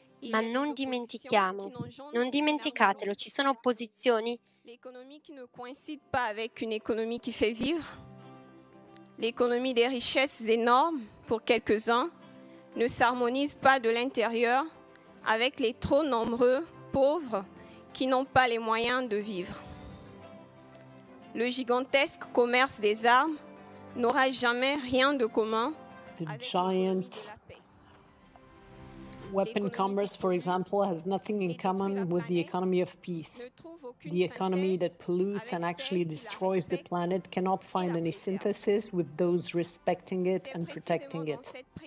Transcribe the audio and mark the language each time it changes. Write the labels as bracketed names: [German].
[Italian] Ma non dimentichiamo, non dimenticatelo, ci sono opposizioni. [French] L'économie qui ne coïncide pas avec une économie qui fait vivre. L'économie des richesses énormes pour quelques-uns ne s'harmonise pas de l'intérieur avec les trop nombreux pauvres qui n'ont pas les moyens de vivre. Le gigantesque commerce des armes n'aura jamais rien de commun. [English] The giant weapon commerce, for example, has nothing in common with the economy of peace. The economy that pollutes and actually destroys the planet cannot find any synthesis with those respecting it and protecting it.